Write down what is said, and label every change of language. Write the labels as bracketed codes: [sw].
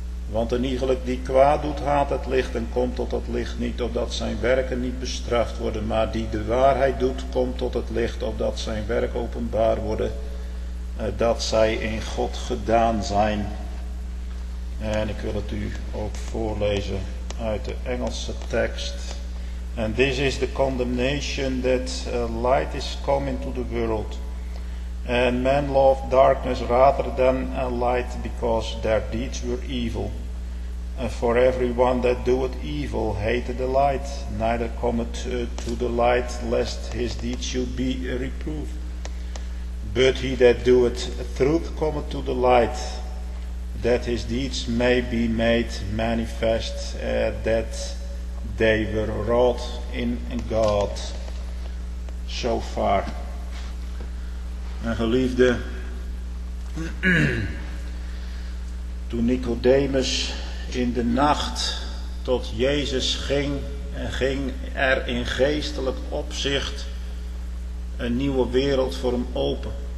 [nl] Want een iegelijk die kwaad doet, haat het licht en komt tot het licht niet, opdat zijn werken niet bestraft worden. Maar die de waarheid doet, komt tot het licht, opdat zijn werk openbaar worden, dat zij in God gedaan zijn. En ik wil het u ook voorlezen uit de Engelse tekst. [en] And this is the condemnation, that light is come into the world. And men loved darkness rather than light, because their deeds were evil. For everyone that doeth evil hateth the light, neither cometh to the light, lest his deeds should be reproved. But he that doeth truth cometh to the light, that his deeds may be made manifest, that they were wrought in God. So far. [nl] Mijn geliefde, toen Nicodemus in de nacht tot Jezus ging, ging er in geestelijk opzicht een nieuwe wereld voor hem open.